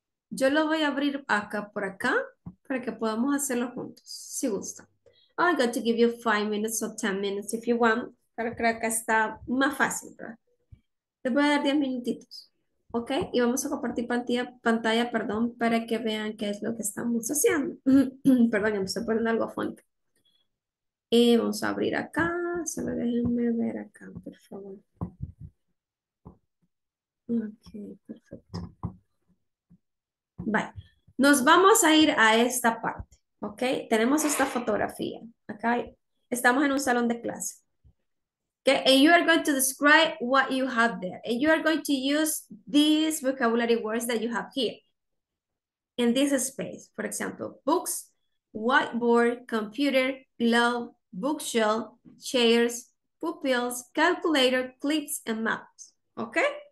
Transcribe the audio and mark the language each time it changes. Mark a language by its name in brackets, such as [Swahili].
[Spanish] Yo lo voy a abrir acá por acá para que podamos hacerlo juntos, si gusta. [English] I'm going to give you 5 minutes or 10 minutes if you want. [Spanish] Pero creo que está más fácil, ¿verdad? Les voy a dar 10 minutitos. Ok. Y vamos a compartir pantalla, para que vean qué es lo que estamos haciendo. Perdón, ya me estoy poniendo algo fónico. Y vamos a abrir acá, solo déjenme ver acá, por favor. Ok, perfecto. Vale, nos vamos a ir a esta parte, ¿ok? Tenemos esta fotografía, acá estamos en un salón de clase. [English] Ok, and you are going to describe what you have there. And you are going to use these vocabulary words that you have here. In this space, for example, books, whiteboard, computer, glove, bookshelf, chairs, pupils, calculator, clips, and maps. Okay?